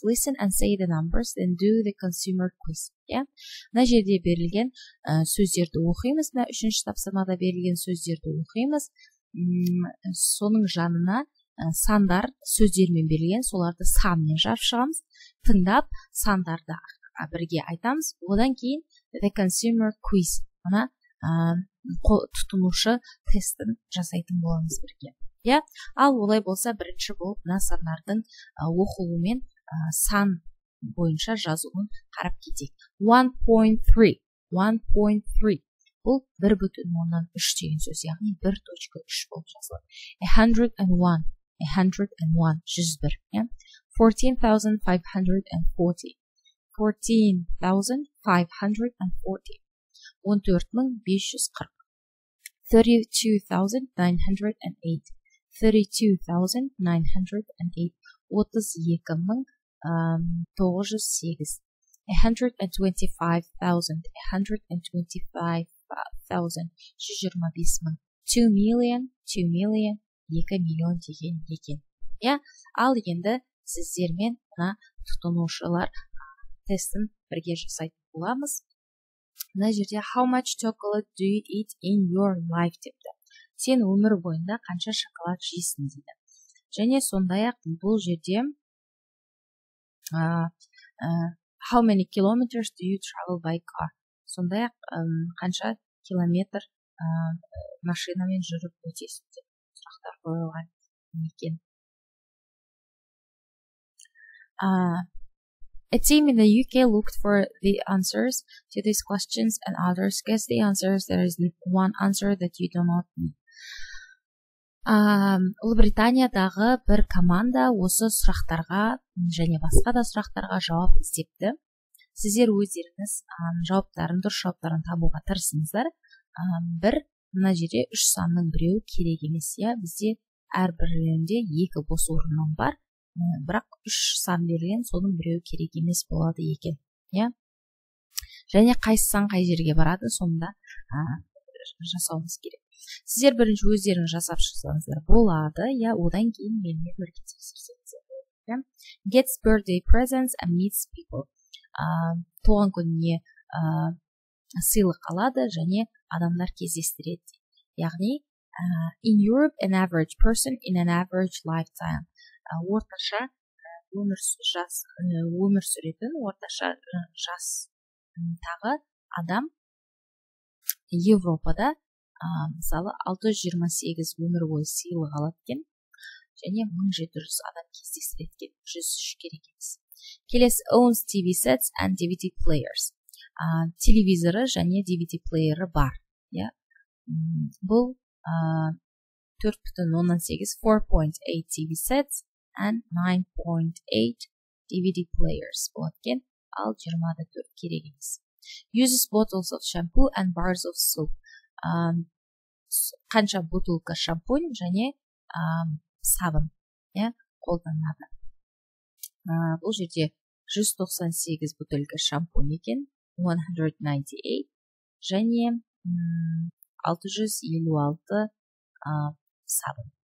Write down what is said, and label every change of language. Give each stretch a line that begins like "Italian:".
English: Listen and say the numbers, then do the consumer quiz.
Kazakh: Мына жерде берілген сөздерді оқимыз. Мына үшінші тапсырмада берілген сөздерді оқимыз. Соның жанына сандар сөздермен берілген, соларды санмен жазып шығамыз. Тыңдап, сандарды бірге айтамыз. Одан кейін
English: the consumer quiz.
Kazakh: Мына тұтынушы тестін жасайтын боламыз бірге. Ал олай болса, бірінші болып мына сандардың оқылуымен сан бойынша жазуын қарап кетейік. 1.3. бұл 1.3 деген сөз, яғни 1.3 болып жазылады. 101, 101, 101, 14,540, 32,908, 125,000,
English: 2 million,
Kazakh: 2 миллион деген екен. Ал енді сіздермен тұтынушылар тестін бірге жасайтын боламыз. Мына жерде
English: how much chocolate do you eat in your life
Kazakh: депті. Сен өмір бойында қанша шоколад жейсің дейді. Және сондай-ақ бұл жерде
English: how many kilometers do you travel by car?
Kazakh: Сондай-ақ қанша километр машинамен жүріп өтесің деп сұрақтар қойылған екен.
English: A team in the UK looked for the answers to these questions and others guessed the answers. There is one answer that you do not need.
Kazakh: Ұлыбританиядағы бір команда осы сұрақтарға және басқа да сұрақтарға жауап іздепті. Сіздер өздеріңіз жауаптарын, дұрыс жауаптарын табуға тырысыңыздар. Бір, мына жерде үш санның біреуі керек емес, иә? Бізде әр бірінде екі бос орын бар. Бірақ үш сан берілген, соның біреуі керек емес болады екен, иә? Және қайсы сан қай жерге барады, сонда жасауымыз керек. Сіздер бірінші өздеріңіз жасап шықсаңыздар болады, иә? Одан кейін менімен бірге тексерсеңіздер болады, иә?
English: Get birthday presents and meets people.
Kazakh: Туған күніне сыйлық алады және адамдар кездестіреді. Яғни,
English: in Europe, an average person in an average lifetime.
Kazakh: Орташа өмір сүретін орташа жастағы адам Европада мысалы 628 өмір бойы сыйлық алады екен және 1700 адам кездестіреді екен. 103 керек емес. Келесі,
English: owns TV sets and DVD players.
Kazakh: Телевизоры және DVD плеері бар. Бұл
English: 4.18, 4.8 TV sets and 9.8 DVD players.
Kazakh: Болатын, ал 24 керек емес.
English: Uses bottles of shampoo and bars of soap.
Kazakh: Қанша бутылка шампунь және сабын қолданады. Бұл жерде 198 бутылка шампунь екен, 198 және 656 сабын.